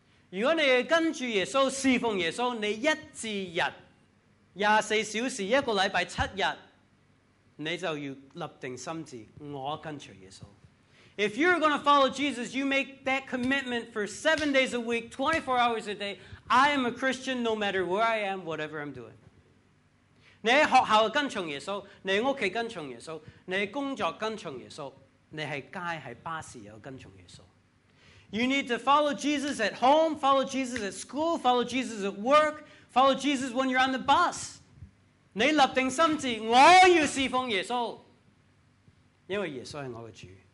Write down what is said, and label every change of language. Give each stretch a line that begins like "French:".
Chinese: 如果你跟着耶稣,侍奉耶稣,你一至日,24小时,一个礼拜,7日,你就要立定心志,我跟着耶稣.
English: If you're going to follow Jesus, you make that commitment for 7 days a week, 24 hours a day, I am a Christian no matter where I am, whatever I'm doing.
Chinese: 你在学校跟从耶稣,你在家跟从耶稣,你在工作跟从耶稣,你在街,在巴士也跟从耶稣.
English: You need to follow Jesus at home, follow Jesus at school, follow Jesus at work, follow Jesus when you're on the bus.
Chinese: 你立定心志,我要侍奉耶稣,因为耶稣是我的主.